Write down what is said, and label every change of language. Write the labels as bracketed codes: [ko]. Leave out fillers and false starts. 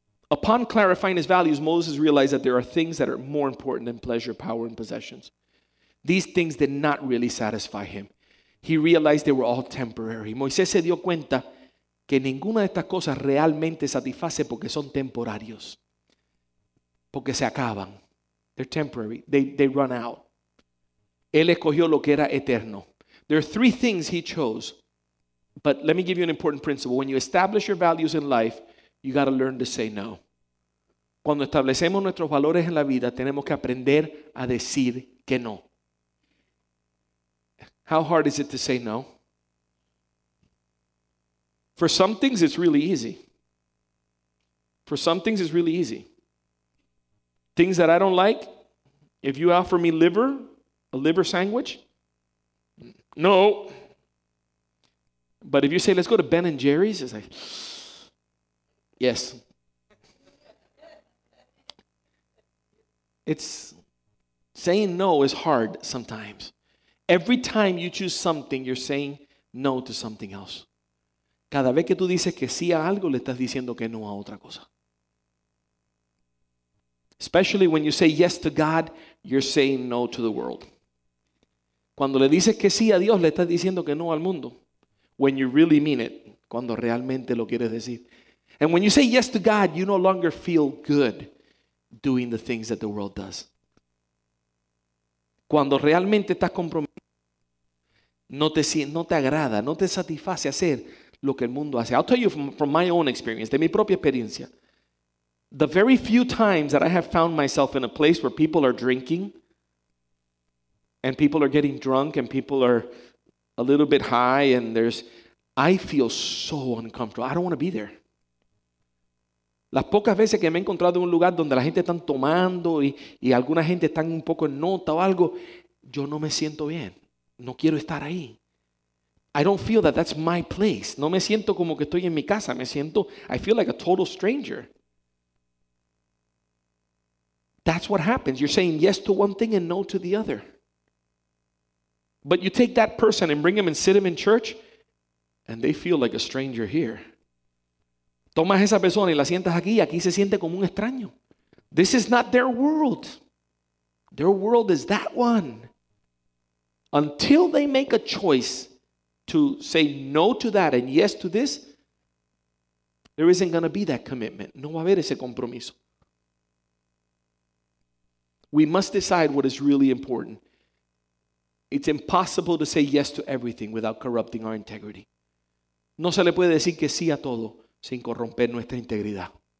[en] Upon clarifying his values, Moses realized that there are things that are more important than pleasure, power, and possessions. These things did not really satisfy him. He realized they were all temporary. [es] Moisés se dio cuenta que ninguna de estas cosas realmente satisface porque son temporarios. Porque se acaban. [en] They're temporary. They run out. [es] Él escogió lo que era eterno. [en] There are three things he chose. But let me give you an important principle. When you establish your values in life, you got to learn to say no. [es] Cuando establecemos nuestros valores en la vida, tenemos que aprender a decir que no. [en] How hard is it to say no? For some things, it's really easy. For some things, it's really easy. Things that I don't like, if you offer me liver, a liver sandwich, No. But if you say, let's go to Ben and Jerry's, it's like, yes. It's saying no is hard sometimes. Every time you choose something, you're saying no to something else. [es] Cada vez que tú dices que sí a algo, le estás diciendo que no a otra cosa. [en] Especially when you say yes to God, you're saying no to the world. [es] Cuando le dices que sí a Dios, le estás diciendo que no al mundo. [en] When you really mean it, [es] cuando realmente lo quieres decir. [en] And when you say yes to God, you no longer feel good doing the things that the world does. [es] Cuando realmente estás comprometido, no te agrada, no te satisface hacer lo que el mundo hace. [en] I'll tell you from my own experience, [es] de mi propia experiencia. [en] The very few times that I have found myself in a place where people are drinking and people are getting drunk and people are a little bit high and I feel so uncomfortable. I don't want to be there. [es] Las pocas veces que me he encontrado en un lugar donde la gente está tomando y alguna gente está un poco en nota o algo, yo no me siento bien. No quiero estar ahí. [en] I don't feel that that's my place. [es] No me siento como que estoy en mi casa. [en] I feel like a total stranger. That's what happens. You're saying yes to one thing and no to the other. But you take that person and bring him and sit him in church, and they feel like a stranger here. [es] Tomas esa persona y la sientas aquí, y aquí se siente como un extraño. [en] This is not their world. Their world is that one. Until they make a choice to say no to that and yes to this, there isn't going to be that commitment. [es] No va a haber ese compromiso. [en] We must decide what is really important. It's impossible to say yes to everything without corrupting our integrity. [es] No se le puede decir que sí a todo sin corromper nuestra integridad.